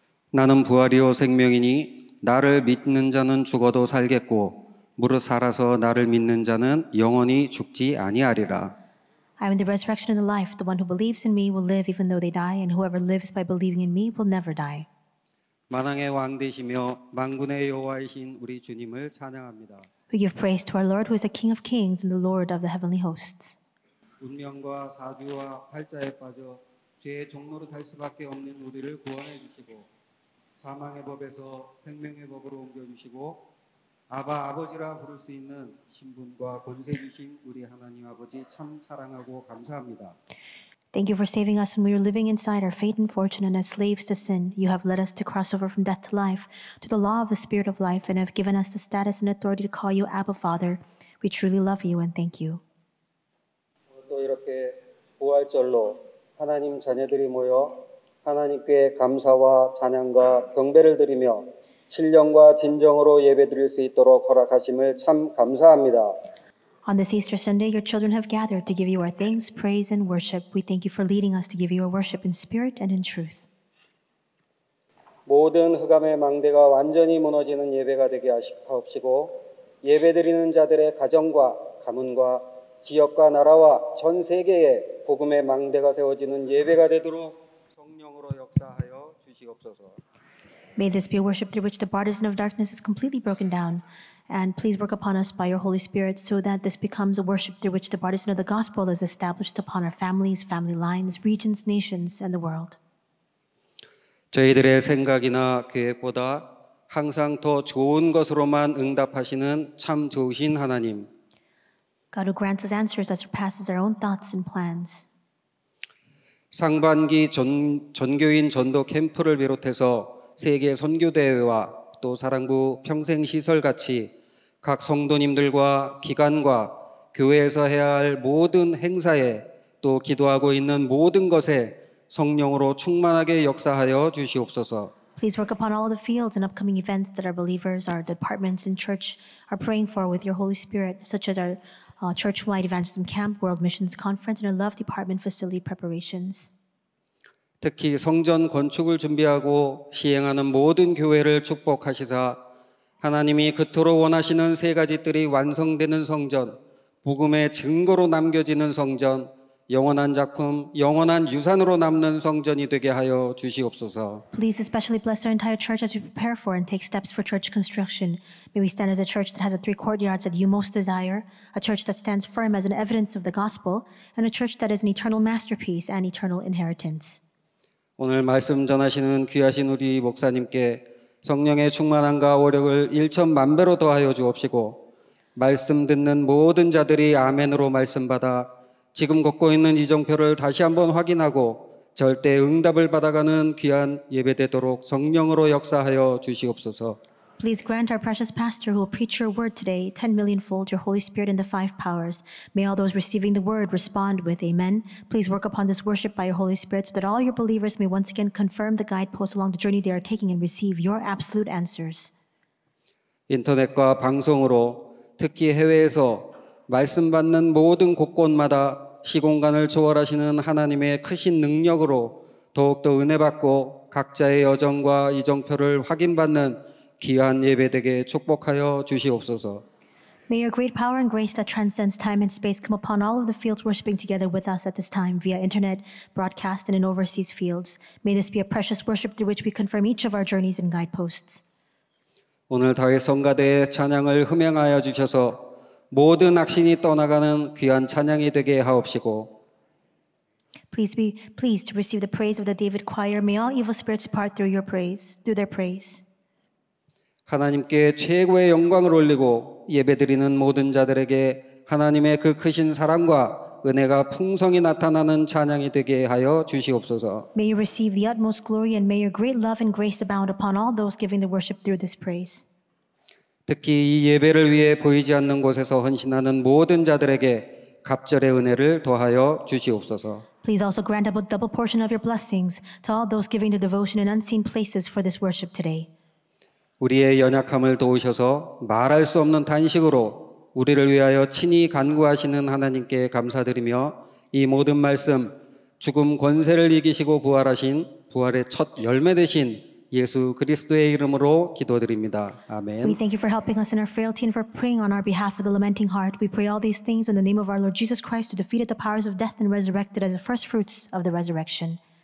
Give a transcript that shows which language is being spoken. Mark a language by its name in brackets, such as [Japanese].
[Korean] 나는 부활이요 생명이니 나를 믿는 자는 죽어도 살겠고 무릇 살아서 나를 믿는 자는 영원히 죽지 아니하리라. [English] I am the resurrection and the life. The one who believes in me will live even though they die, and whoever lives by believing in me will never die. [Korean] 만왕의 왕 되시며 만군의 여호와이신 우리 주님을 찬양합니다. [English] We give praise to our Lord who is the King of Kings and the Lord of the heavenly hosts. [Korean] 운명과 사주와 팔자에 빠져 죄의 종노릇 할 수밖에 없는 우리를 구원해 주시고 사망의 법에서 생명의 법으로 옮겨 주시고 아바 아버지라 부를 수 있는 신분과 권세 주신 우리 하나님 아버지 참 사랑하고 감사합니다. [English] Thank you for saving us when we were living inside our fate and fortune and as slaves to sin. You have led us to cross over from death to life through the law of the spirit of life and have given us the status and authority to call you Abba Father. We truly love you and thank you. [Korean] 또 이렇게 부활절로 하나님 자녀들이 모여 하나님께 감사와 찬양과 경배를 드리며 신령과 진정으로 예배드릴 수 있도록 허락하심을 참 감사합니다. [English] On this Easter Sunday, your children have gathered to give you our thanks, praise, and worship. We thank you for leading us to give you our worship in spirit and in truth. [Korean] 모든 흑암의 망대가 완전히 무너지는 예배가 되게 하옵시고 예배드리는 자들의 가정과 가문과 지역과 나라와 전 세계에 복음의 망대가 세워지는 예배가 되도록 성령으로 역사하여 주시옵소서. [English] May this be a worship through which the partisan of darkness is completely broken down. And please work upon us by your Holy Spirit so that this becomes a worship through which the partisan of the gospel is established upon our families, family lines, regions, nations, and the world. [Korean] 저희들의 생각이나 계획보다 항상 더 좋은 것으로만 응답하시는 참 좋으신 하나님. [English] God who grants us answers that surpasses our own thoughts and plans. [Korean] 상반기 전교인 전도 캠프를 비롯해서 세계 선교대회와 또 사랑구 평생시설 같이 각 성도님들과 기관과 교회에서 해야 할 모든 행사에 또 기도하고 있는 모든 것에 성령으로 충만하게 역사하여 주시옵소서. [English] Please work upon all the fields and upcoming events that our believers, our departments and church are praying for with your Holy Spirit, such as our church-wide evangelism camp, world missions conference, and our love department facility preparations. [Korean] 특히 성전 건축을 준비하고 시행하는 모든 교회를 축복하시사 하나님이 그토록 원하시는 세 가지들이 완성되는 성전, 복음의 증거로 남겨지는 성전, 영원한 작품, 영원한 유산으로 남는 성전이 되게 하여 주시옵소서. [English] Please especially bless our entire church as we prepare for and take steps for church construction. May we stand as a church that has the three courtyards that you most desire, a church that stands firm as an evidence of the gospel, and a church that is an eternal masterpiece and eternal inheritance. [Korean] 오늘 말씀 전하시는 귀하신 우리 목사님께 성령의 충만함과 어력을 일천만 배로 더하여 주옵시고 말씀 듣는 모든 자들이 아멘으로 말씀받아 지금 걷고 있는 이정표를 다시 한번 확인하고 절대 응답을 받아가는 귀한 예배 되도록 성령으로 역사하여 주시옵소서. [English] Please grant our precious pastor who will preach your word today 10,000,000-fold your Holy Spirit in the five powers. May all those receiving the word respond with amen. Please work upon this worship by your Holy Spirit so that all your believers may once again confirm the guideposts along the journey they are taking and receive your absolute answers. [Korean] 인터넷과 방송으로 특히 해외에서 말씀 받는 모든 곳곳마다 시공간을 초월하시는 하나님의 크신 능력으로 더욱더 은혜 받고 각자의 여정과 이정표를 확인받는 귀한 예배 되게 축복하여 주시옵소서. [English] May your great power and grace that transcends time and space come upon all of the fields worshiping together with us at this time via internet, broadcast, and in overseas fields. May this be a precious worship through which we confirm each of our journeys and guideposts. [Korean] 오늘 다윗 성가대의 찬양을 흠행하여 주셔서 모든 악신이 떠나가는 귀한 찬양이 되게 하옵시고 [English] Please be pleased to receive the praise of the David choir. May all evil spirits depart through your praise, through their praise. [Korean] 하나님께 최고의 영광을 올리고 예배드리는 모든 자들에게 하나님의 그 크신 사랑과 은혜가 풍성히 나타나는 찬양이 되게 하여 주시옵소서. [English] May you receive the utmost glory and may your great love and grace abound upon all those giving the worship through this praise. [Korean] 특히 이 예배를 위해 보이지 않는 곳에서 헌신하는 모든 자들에게 갑절의 은혜를 더하여 주시옵소서. [English] Please also grant a double portion of your blessings to all those giving the devotion in unseen places for this worship today. [Korean] 우리의 연약함을 도우셔서 말할 수 없는 탄식으로 우리를 위하여 친히 간구하시는 하나님께 감사드리며 이 모든 말씀 죽음 권세를 이기시고 부활하신 부활의 첫 열매 되신 예수 그리스도의 이름으로 기도드립니다. 아멘. [English] We thank you for helping us in our frailty and for praying on our behalf with a lamenting heart. We pray all these things in the name of our Lord Jesus Christ who defeated the powers of death and resurrected as the first fruits of the resurrection.